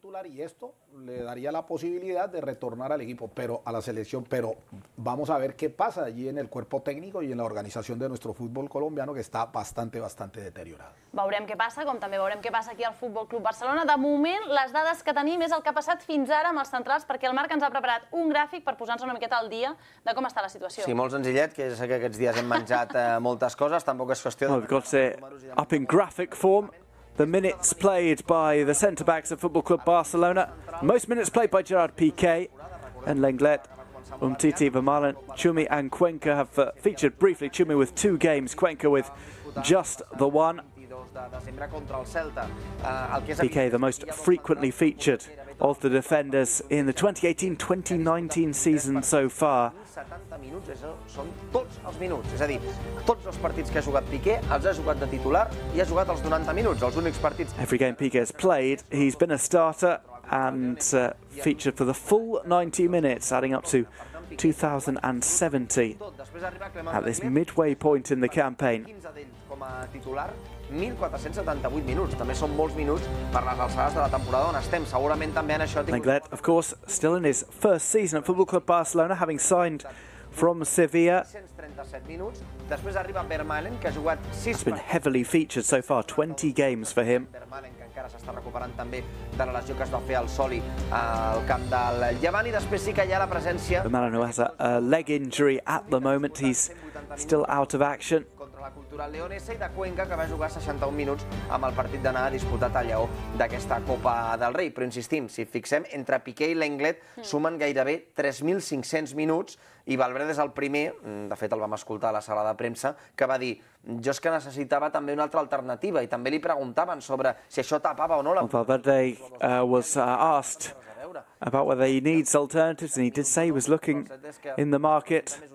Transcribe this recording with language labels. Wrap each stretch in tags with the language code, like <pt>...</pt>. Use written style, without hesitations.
<es>Y esto le daría la posibilidad de retornar al equipo, pero a la selección, pero vamos a ver qué pasa allí en el cuerpo técnico y en la organización de nuestro fútbol colombiano, que está bastante, bastante deteriorado.</es> <ca>Veurem què passa, com també veurem què passa aquí al Futbol Club Barcelona. De moment, les dades que tenim és el que ha passat fins ara amb els centrals, perquè el Marc ens ha preparat un gràfic per posar-nos una miqueta al dia de com està la situació. Sí, molt senzillet, que sé que aquests dies hem menjat moltes coses, tampoc és qüestió...</ca> <en>Well, we've got to say, up in graphic form. The minutes played by the centre-backs of Football Club Barcelona. Most minutes played by Gerard Piqué and Lenglet. Umtiti, Vermaelen, Tchouaméni and Cuenca have featured briefly. Tchouaméni with 2 games, Cuenca with just the one. Piqué the most frequently featured of the defenders in the 2018-2019 season so far.</en> <ca>70 minuts, això són tots els minuts. És a dir, tots els partits que ha jugat Piqué els ha jugat de titular i ha jugat els 90 minuts, els únics partits...</ca> <en>Every game Piqué has played, he's been a starter and featured for the full 90 minutes, adding up to 2,070 at this midway point in the campaign.</en> <ca>15 d'ells com a titular, 1,478 minuts. També són molts minuts per les alçades de la temporada on estem. Segurament també en això...</ca> <en>Lenglet, of course, still in his first season at Football Club Barcelona, having signed from Sevilla.</en> <ca>637 minuts. Després arriba Vermaelen, que ha jugat 6...</ca> <en>Has been heavily featured so far, 20 games for him.</en> <ca>Vermaelen, que encara s'està recuperant també de la lesió que es va fer al Soli al camp del Llevant, i després sí que hi ha la presència...</ca> <en>Vermaelen, who has a leg injury at the moment, he's still out of action.</en> <ca>La cultura leonesa i de Cuenca, que va jugar 61 minuts amb el partit d'anar disputat a Lleó d'aquesta Copa del Rei. Però insistim, si fixem, entre Piqué i Lenglet sumen gairebé 3.500 minuts i Valverde és el primer, de fet el vam escoltar a la sala de premsa, que va dir, jo és que necessitava també una altra alternativa, i també li preguntaven sobre si això tapava o no...</ca> <en>Valverde was asked about whether he needs alternatives, and he did say he was looking in the market.</en>